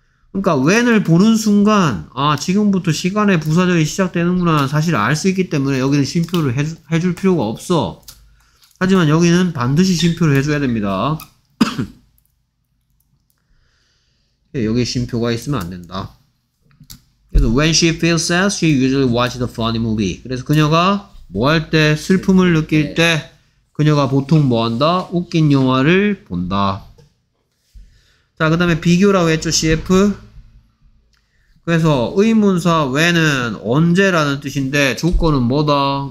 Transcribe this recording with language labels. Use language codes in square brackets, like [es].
[ko] 그러니까 when을 보는 순간 아 지금부터 시간의 부사절이 시작되는구나 사실 알 수 있기 때문에 여기는 쉼표를 해줄 필요가 없어. 하지만 여기는 반드시 쉼표를 해줘야 됩니다. 여기 쉼표가 있으면 안 된다. 그래서 [en] when she feels sad, she usually watches the funny movie. [ko] 그래서 그녀가 뭐 할 때 슬픔을 느낄 때 그녀가 보통 뭐 한다? 웃긴 영화를 본다. 자, 그 다음에 비교라고 했죠, CF. 그래서 의문사 when은 언제라는 뜻인데 조건은 뭐다?